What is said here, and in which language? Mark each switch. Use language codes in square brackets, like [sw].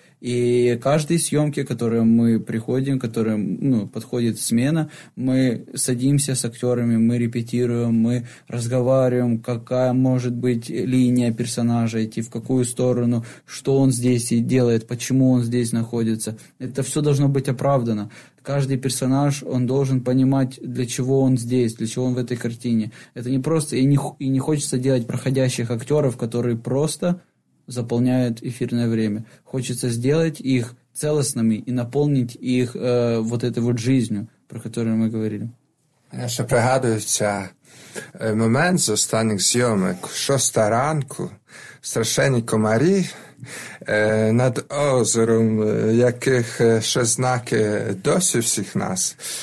[uk] І кожній зйомці, яку ми приходимо, яку, ну, підходить зміна, ми садимося з актерами, ми репетируємо, ми розмовляємо, яка може бути лінія персонажа йти, в яку сторону, що він тут робить, чому він тут знаходиться. Це все має бути оправдано. [ru] Каждый персонаж, он должен понимать, для чего он здесь, для чего он в этой картине. Это не просто, и не хочется делать проходящих актеров, которые просто заполняют эфирное время. Хочется сделать их целостными и наполнить их вот этой вот жизнью, про которую мы говорили. [uk] Я ще пригадуюся момент з останніх зйомок. 6 ранку, страшенні комарі над озером, яких ще знаки досі всіх нас.